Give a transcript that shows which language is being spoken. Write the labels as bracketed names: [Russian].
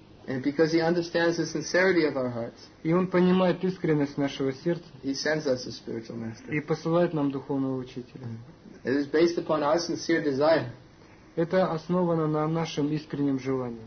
[English] And because he understands the sincerity of our hearts, [Russian] и он понимает искренность нашего сердца, [English] he sends us a spiritual master. [Russian] И посылает нам духовного учителя. [English] It is based upon our sincere desire. [Russian] Это основано на нашем искреннем желании.